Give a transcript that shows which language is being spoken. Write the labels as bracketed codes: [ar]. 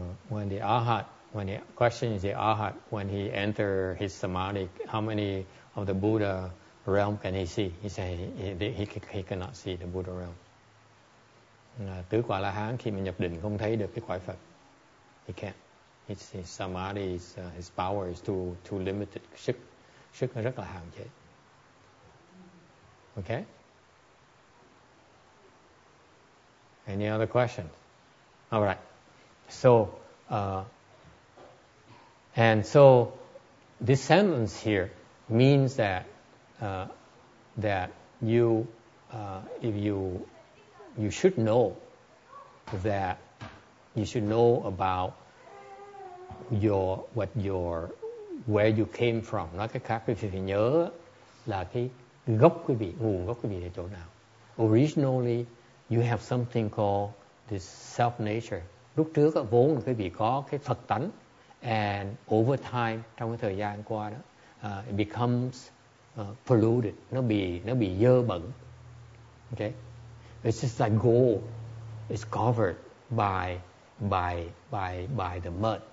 [en] When the arhat, when the question is the arhat, when he enter his samadhi, how many of the Buddha realm can he see? He say he cannot see the Buddha realm. [vi] Tứ quả la hán khi mà nhập định không thấy được cái quả Phật. [en] He can't. His samadhi, his power is too limited. [vi] Sức nó rất là hạn chế. [en] Okay? Any other questions? All right. So, and so this sentence here means that that you, if you should know that you should know about your what your where you came from. [vi] Nói cái khác, quý vị phải nhớ là cái gốc quý vị, nguồn gốc quý vị là chỗ nào. [en] Originally, you have something called this self nature. [vi] Lúc trước á, vốn là quý vị có cái Phật tánh, [en] and over time, [vi] trong cái thời gian qua đó, [en] it becomes polluted. [vi] Nó bị dơ bẩn. [en] Okay? It's just like gold. It's covered by the mud.